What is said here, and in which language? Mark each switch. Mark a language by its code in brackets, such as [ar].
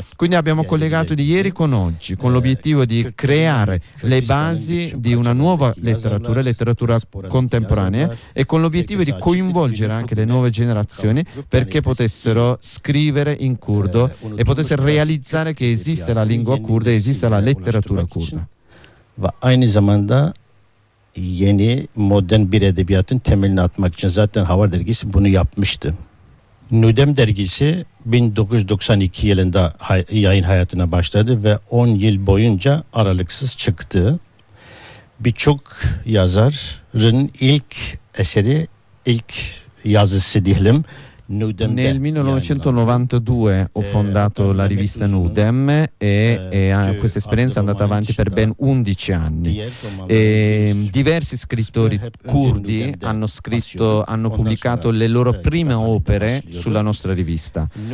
[it] Quindi abbiamo collegato di ieri con oggi, con l'obiettivo di creare le basi di una nuova letteratura, letteratura contemporanea, e con l'obiettivo di coinvolgere anche le nuove generazioni perché potessero scrivere in curdo e potessero realizzare che esiste la lingua curda e esiste la letteratura curda. [tr] Ve aynı zamanda yeni modern bir edebiyatın temelini atmak için zaten Havar dergisi bunu yapmıştı. Nudem dergisi 1992 yılında yayın hayatına başladı ve 10 yıl boyunca aralıksız çıktı. Birçok yazarın ilk eseri, ilk yazısı diyelim. [it] Nel 1992 ho fondato la rivista Nudem e questa esperienza è andata avanti per ben 11 anni. Diversi scrittori curdi hanno pubblicato le loro prime opere sulla nostra rivista.